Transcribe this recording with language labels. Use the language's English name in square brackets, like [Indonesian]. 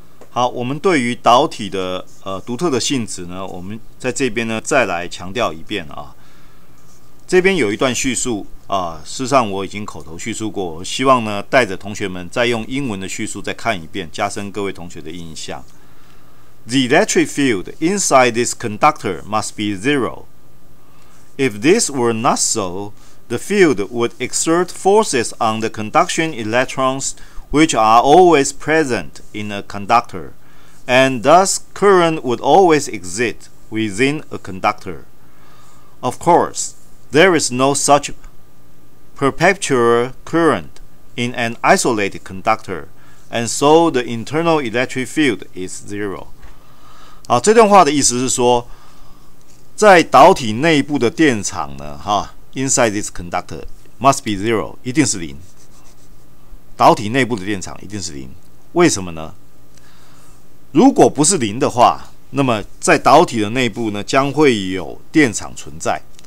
[Chinese] 好，我们对于导体的独特的性质呢，我们在这边呢再来强调一遍啊。这边有一段叙述啊，事实上我已经口头叙述过，我希望呢带着同学们再用英文的叙述再看一遍，加深各位同学的印象。 [English] The electric field inside this conductor must be zero. If this were not so, the field would exert forces on the conduction electrons. Which are always present in a conductor, and thus current would always exist within a conductor. Of course, there is no such perpetual current in an isolated conductor, and so the internal electric field is zero. [Chinese] 好，这段话的意思是说，在导体内部的电场呢，哈 ， [English] inside this conductor must be zero， [Chinese] 一定是零。导体内部的电场一定是零，为什么呢？如果不是零的话，那么在导体的内部呢，将会有电场存在。